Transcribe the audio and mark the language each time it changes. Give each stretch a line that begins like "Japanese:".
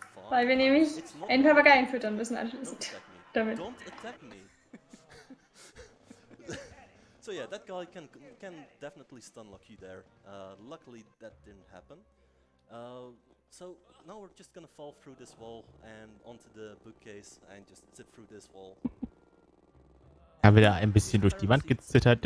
German: Weil wir nämlich ein Papageien füttern müssen anschließend. Damit.
English: So yeah, that guy can definitely stunlock you there. Luckily that didn't happen. So now we're just gonna fall through this wall and onto the bookcase and just zip through this wall.
German: Ja, wieder ein bisschen durch die Wand gezittert.